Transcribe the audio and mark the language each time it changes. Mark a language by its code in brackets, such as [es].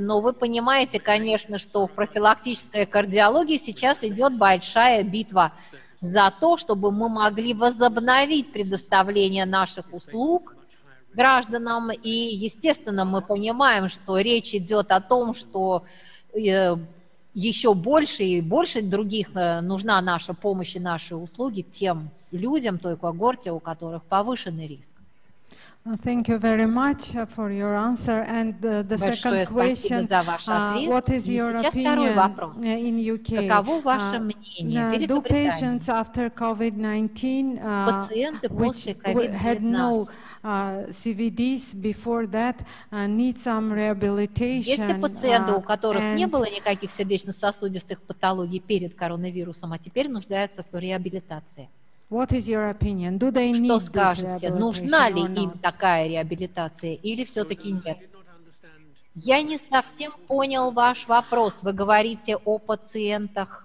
[ru] Но вы понимаете, конечно, что в профилактической кардиологии сейчас идет большая битва за то, чтобы мы могли возобновить предоставление наших услуг гражданам. И, естественно, мы понимаем, что речь идет о том, что еще больше и больше других нужна наша помощь и наши услуги тем людям, той когорте, у которых повышенный риск. [en] Thank you very much for your answer. And the second question, what is your opinion in UK? [ru] Каково ваше мнение? [en] Do patients after COVID-19, which had no CVDs before that, need some rehabilitation? [ru] Есть ли пациенты, у которых не было никаких сердечно-сосудистых патологий перед коронавирусом, а теперь нуждаются в реабилитации? [en] What is your opinion? Do they need [ru] Что скажете, нужна ли им такая реабилитация или все-таки нет? Я не совсем понял ваш вопрос. Вы говорите о пациентах.